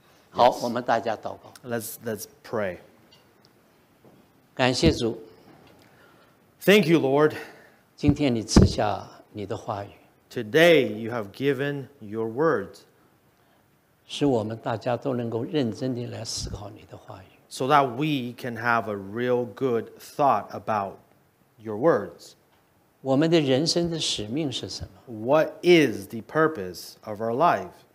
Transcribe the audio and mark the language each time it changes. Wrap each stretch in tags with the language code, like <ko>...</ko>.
<zh>好,我们大家祷告。</zh> <en>Let's pray.</en> <zh>感谢主。</zh> <en>Thank you, Lord.</en> <zh>今天你赐下你的话语。</zh> <en>Today, you have given your words.</en> <zh>使我们大家都能够认真地来思考你的话语。</zh> <en>So that we can have a real good thought about your words.</en> <zh>我们的人生的使命是什么?</zh> <en>What is the purpose of our life?</en>